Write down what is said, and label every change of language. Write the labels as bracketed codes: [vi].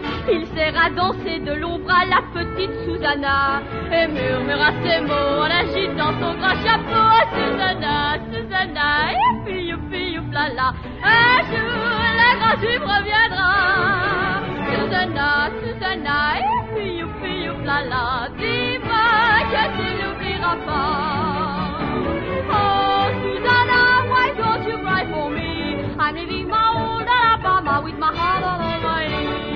[fr] Il serra dans ses deux longs bras la petite Susanna et murmura ces mots en agitant son grand chapeau à Susanna, Susanna, youpi, youpi, youp, lala. Un jour, la grande Jim reviendra. Susanna, Susanna, youpi, youpi, youp, lala. Dis-moi que tu n'oublieras pas. [en] Oh, Susanna, why don't you cry for me? I'm leaving my old Alabama with my heart all on my knee.